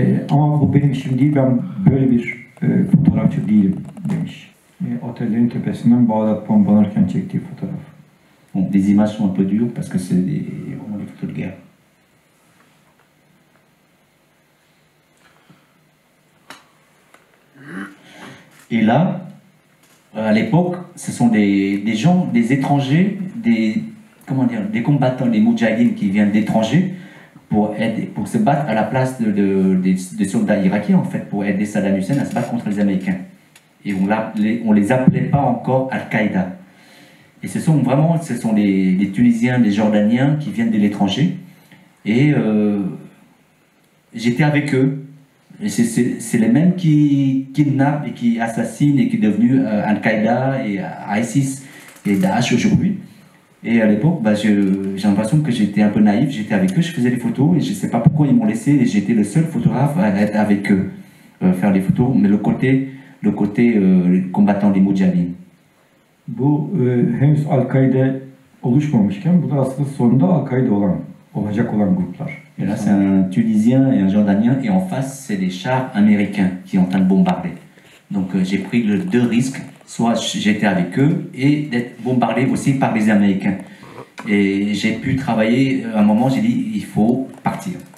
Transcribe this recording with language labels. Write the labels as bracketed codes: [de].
[tr] Ama bu benim işim değil, ben böyle bir fotoğrafçı değilim demiş. Otellerin tepesinden Bağdat bombalarken çektiği fotoğraf. [fr] Des images sont un peu dures parce que c'est des moments de guerre. Et là, à l'époque, ce sont des gens, des étrangers, des combattants, des moudjahidines qui viennent d'étrangers pour se battre à la place des soldats irakiens, en fait, pour aider Saddam Hussein à se battre contre les Américains. Et on les appelait pas encore Al-Qaïda. Et ce sont des Tunisiens, des Jordaniens qui viennent de l'étranger. Et j'étais avec eux. Et c'est les mêmes qui kidnappent et qui assassinent et qui sont devenus Al-Qaïda et ISIS et Daesh aujourd'hui. Et à l'époque, j'ai l'impression que j'étais un peu naïf, j'étais avec eux, je faisais les photos et je ne sais pas pourquoi ils m'ont laissé et j'étais le seul photographe à être avec eux, faire les photos, mais le côté combattant des Moudjahidines. [tr] Bu henüz Al-Qaïda oluşmamışken, bu da aslında sonunda Al-Qaïda olacak olan gruplar. [fr] Et là, c'est un Tunisien et un Jordanien, et en face, c'est des chars américains qui sont en train de bombarder. Donc, j'ai pris les deux risques, soit j'étais avec eux, et d'être bombardé aussi par les Américains. Et j'ai pu travailler, à un moment, j'ai dit, il faut partir.